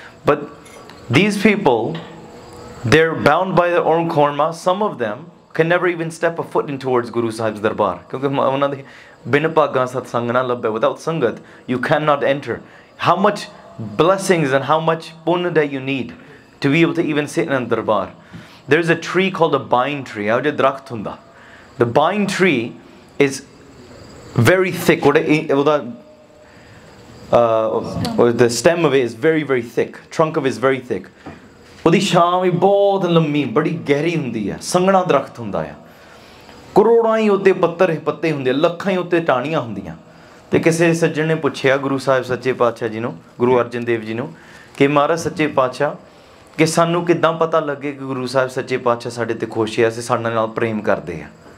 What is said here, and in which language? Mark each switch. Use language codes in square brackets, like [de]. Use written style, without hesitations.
[en] but these people they're bound by their own karma, some of them can never even step a foot in towards Guru Sahib's darbar, [pa] ਕਿਉਂਕਿ ਉਹਨਾਂ ਦੇ ਬਿਨ ਭਾਗਾਂ ਸਤਸੰਗ ਨਾ ਲੱਭੇ, [en] Without sangat you can not enter. How much blessings and how much punn that you need to be able to even sit in darbar. There is a tree called a bine tree, [pa] ਇਹੋ ਜਿਹਾ ਦਰਖਤ ਹੁੰਦਾ, [en] the bine tree is very thick, [pa] ਉਹਦਾ [en] the stem of it is very, very thick. Trunk of it is very thick. [pa] ਉਹਦੀ ਛਾਂ ਵੀ ਬਹੁਤ ਲੰਮੀ ਬੜੀ ਗਹਿਰੀ ਹੁੰਦੀ ਹੈ ਸੰਘਣਾ ਦਰਖਤ ਹੁੰਦਾ ਆ ਕਰੋੜਾਂ ਹੀ ਉੱਤੇ ਪੱਤਰ ਪੱਤੇ ਹੁੰਦੇ ਆ ਲੱਖਾਂ ਹੀ ਉੱਤੇ ਟਾਹਣੀਆਂ ਹੁੰਦੀਆਂ ਅਤੇ ਕਿਸੇ ਸੱਜਣ ਨੇ ਪੁੱਛਿਆ ਗੁਰੂ ਸਾਹਿਬ ਸੱਚੇ ਪਾਤਸ਼ਾਹ ਜੀ ਨੂੰ ਗੁਰੂ ਅਰਜਨ ਦੇਵ ਜੀ ਨੂੰ ਕਿ ਮਹਾਰਾਜ ਸੱਚੇ ਪਾਤਸ਼ਾਹ ਕਿ ਸਾਨੂੰ ਕਿੱਦਾਂ ਪਤਾ ਲੱਗੇ ਕਿ ਗੁਰੂ ਸਾਹਿਬ ਸੱਚੇ ਪਾਤਸ਼ਾਹ ਸਾਡੇ 'ਤੇ ਖੁਸ਼ ਆ ਅਸੀਂ ਸਾਡੇ ਨਾਲ ਪ੍ਰੇਮ ਕਰਦੇ ਹਾਂ